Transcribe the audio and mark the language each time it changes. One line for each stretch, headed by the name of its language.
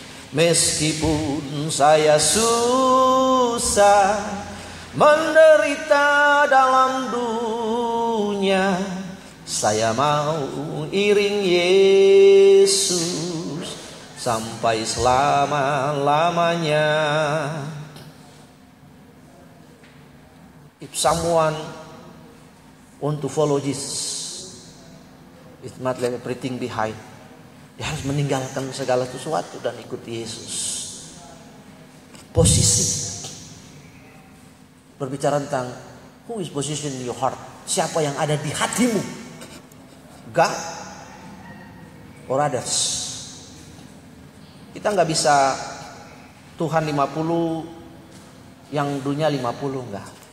Indonesian: Meskipun saya susah, menderita dalam dunia, saya mau iring Yesus sampai selama-lamanya.
English: If someone want to follow Jesus, it's not leave everything behind.
Indonesian: Dia harus meninggalkan segala sesuatu dan ikuti Yesus. Posisi. Berbicara tentang
English: who is positioned in your heart.
Indonesian: Siapa yang ada di hatimu?
English: God or others?
Indonesian: Kita gak bisa Tuhan 50 yang dunia 50, enggak.